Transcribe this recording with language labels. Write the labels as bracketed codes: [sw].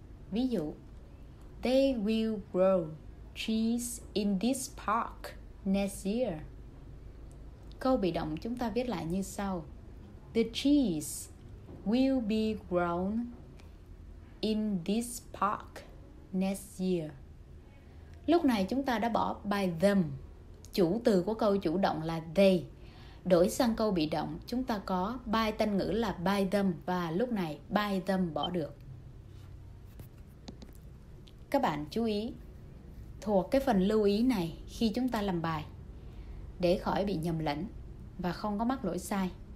[vi] Ví dụ, [en] they will grow trees in this park next year. [vi] Câu bị động chúng ta viết lại như sau. [en] The trees will be grown in this park next year. [vi] Lúc này chúng ta đã bỏ [en] by them. [vi] Chủ từ của câu chủ động là [en] they. [vi] Đổi sang câu bị động, chúng ta có by tân ngữ là [en] by them. [vi] Và lúc này [en] by them [vi] bỏ được. Các bạn chú ý thuộc cái phần lưu ý này khi chúng ta làm bài, để khỏi bị nhầm lẫn và không có mắc lỗi sai.